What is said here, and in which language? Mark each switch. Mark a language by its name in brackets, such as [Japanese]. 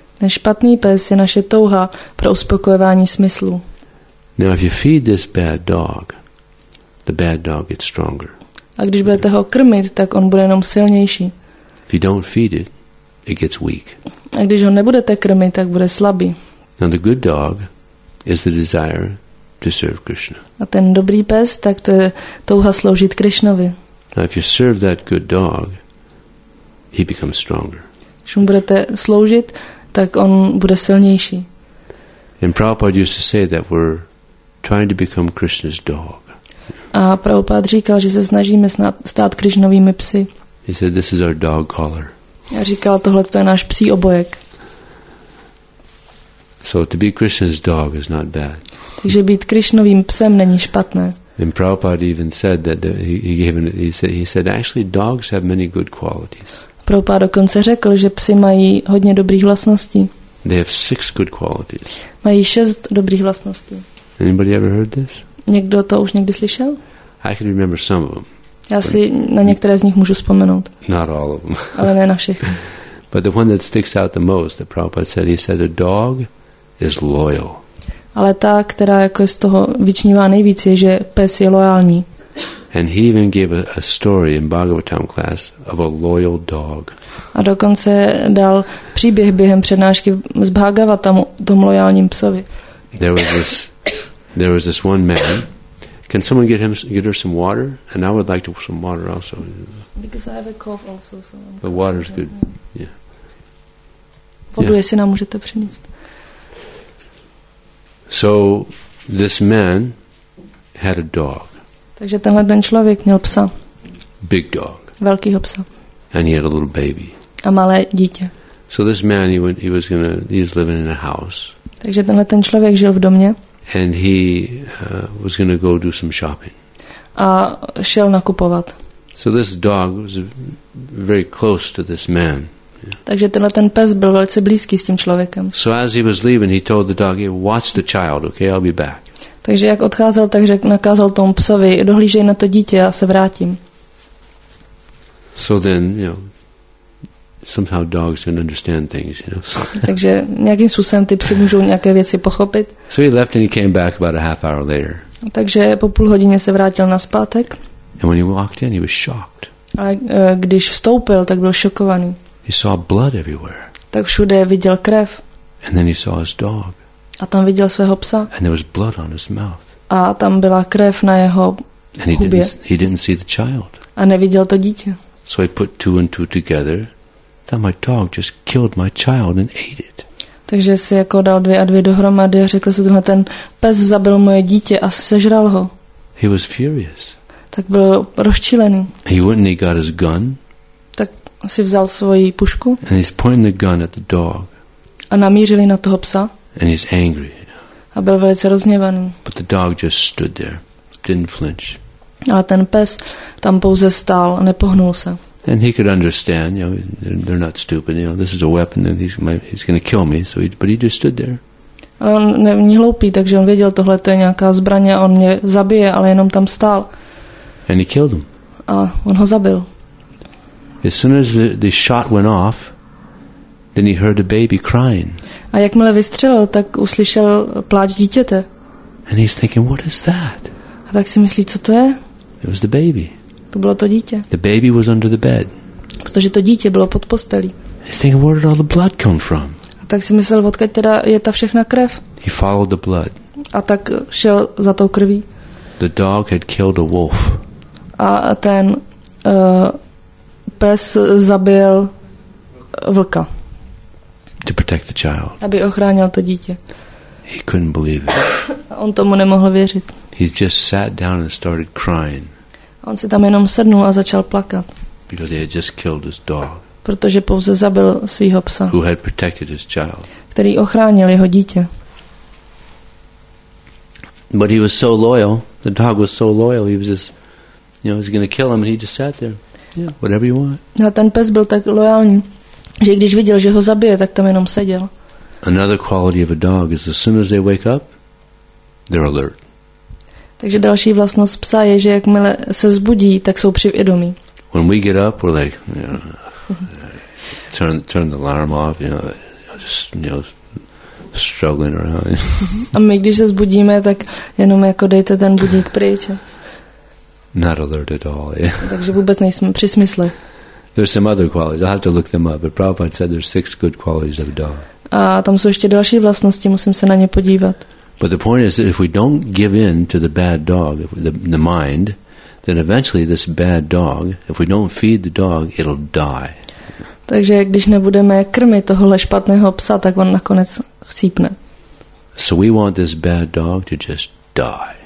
[Czech] Ten špatný pes je naše touha pro uspokojování smyslů. [English] Now if you feed this bad dog, the bad dog gets stronger. [Czech] A když budete ho krmit, tak on bude jenom silnější. [English] If you don't feed it, it gets weak. [Czech] A když ho nebudete krmit, tak bude slabý. [English] Now the good dog is the desire to serve Krishna. [Czech] A ten dobrý pes, tak to je touha sloužit Krishnovi. [English] Now if you serve that good dog, he becomes stronger. [Czech] Když mu budete sloužit, tak on bude silnější. [English] And Prabhupada used to say that we're trying to become Krishna's dog. [Czech] A Prabhupád říkal, že se snažíme stát Krišnovými psy. [English] He said, this is our dog collar. [Czech] A říkal, tohle to je náš psí obojek. [English] So to be Krishna's dog is not bad. [Czech] Takže být Krišnovým psem není špatné. [English] And Prabhupád even said that he said actually dogs have many good qualities. [Czech] Prabhupád dokonce řekl, že psi mají hodně dobrých vlastností. [English] They have six good qualities. [Czech] Mají šest dobrých vlastností. [English] Anybody ever heard this? [Czech] Někdo to už někdy slyšel? [English] I can remember some of them. [Czech] Já si na některé z nich můžu vzpomenout. [English] Not all of them. [Czech] Ale ne na všech. [English] But the one that sticks out the most, that Prabhupada said, he said a dog is loyal. [Czech] Ale ta, která jako z toho vyčnívá nejvíc, je, že pes je loajální. [English] And he even gave a story in Bhagavatam class of a loyal dog. [Czech] A dokonce dal příběh během přednášky z Bhagavatamu tom loajálním psovi. [English] There was this one man. Can someone get her some water? And I would like to some water also. Because I have a cough also. So the water is good. Yeah. [Czech] Vodu, jestli nám můžete přinést. [English] So this man had a dog. [Czech] Takže tenhle ten člověk měl psa. [English] Big dog. [Czech] Velkýho psa. [English] And he had a little baby. [Czech] A malé dítě. [English] So this man he was living in a house. [Czech] Takže tenhle ten člověk žil v domě. [English] And he was going to go do some shopping. [Czech] A šel nakupovat. [English] So this dog was very close to this man. [Czech] Takže tenhle ten pes byl velice blízký s tím člověkem. [English] So as he was leaving, he told the dog, "Watch the child, okay? I'll be back." [Czech] Takže jak odcházel, tak nakázal tomu psovi, dohlížej na to dítě, já se vrátím. [English] So then, somehow dogs can understand things, [Czech] Takže nějakým způsobem ty psy můžou nějaké věci pochopit. [English] So he left and he came back about a half hour later. [Czech] Takže po půl hodině se vrátil nazpátek. [English] And when he walked in, he was shocked. [Czech] A když vstoupil, tak byl šokovaný. [English] He saw blood everywhere. [Czech] Tak všude viděl krev. [English] And then he saw his dog. [Czech] A tam viděl svého psa. [English] And there was blood on his mouth. [Czech] A tam byla krev na jeho hubě. [English] And he didn't see the child. [Czech] A neviděl to dítě. [English] So he put two and two together. That my dog just killed my child and ate it. [Czech] Takže si jako dal dvě a dvě dohromady a řekl si, tenhle ten pes zabil moje dítě a sežral ho. [English] He was furious. [Czech] Tak byl rozčílený. [English] He went and he got his gun. [Czech] Tak si vzal svoji pušku. [English] And he's pointing the gun at the dog. [Czech] A namířili na toho psa. [English] And he's angry. [Czech] A byl velice rozněvaný. [English] But the dog just stood there. Didn't flinch. [Czech] A ten pes tam pouze stál a nepohnul se. [English] And he could understand, they're not stupid, this is a weapon and he's going to kill me, but he just stood there. [Czech] Ale on není hloupý, takže on věděl, tohle to je nějaká zbraň a on mě zabije, ale jenom tam stál. [English] And he killed him. [Czech] A on ho zabil. [English] As soon as the shot went off, then he heard a baby crying. [Czech] A jakmile vystřelil, tak uslyšel pláč dítěte. [English] And he's thinking, what is that? [Czech] A tak si myslí, co to je? [English] It was the baby. [Czech] To bylo to dítě. [English] The baby was under the bed. [Czech] Protože to dítě bylo pod postelí. [English] He said, "Where did all the blood come from?" [Czech] A tak si myslel, odkud teda je ta všechna krev? [English] He followed the blood. [Czech] A tak šel za tou krví. [English] The dog had killed a wolf. [Czech] A ten pes zabil vlka. [English] To protect the child. [Czech] Aby ochránil to dítě. [English] He couldn't believe it. [Czech] A on tomu nemohl věřit. [English] He just sat down and started crying. [Czech] On si tam jenom sednul a začal plakat. [English] Because he had just killed his dog. [Czech] protože pouze zabil svého psa, [English] who had protected his child. [Czech] Který ochránil jeho dítě. [English] But he was so loyal. The dog was so loyal. He was just, you know, he was going to kill him, and he just sat there. Yeah, whatever you want. [Czech] A ten pes byl tak loajální, že když viděl, že ho zabije, tak tam jenom seděl. [English] Another quality of a dog is as soon as they wake up, they're alert. [Czech] Takže další vlastnost psa je, že jakmile se zbudí, tak jsou při vědomí. [English] When we get up, we're like, you know, turn the alarm off, you know, just, you know, struggling around. [Czech] A my když se zbudíme, tak jenom jako dejte ten budík pryč. [English] Not alert at all. Yeah. [Czech] Takže vůbec nejsme při smysle. [English] There's some other qualities. I have to look them up. But Prabhupada said there's 6 good qualities of a dog. [Czech] A tam jsou ještě další vlastnosti, musím se na ně podívat. [English] But the point is that if we don't give in to the bad dog, the mind, then eventually this bad dog, if we don't feed the dog, it'll die. [Czech] Takže když nebudeme krmit tohohle špatného psa, tak on nakonec chcípne. [English] So we want this bad dog to just die.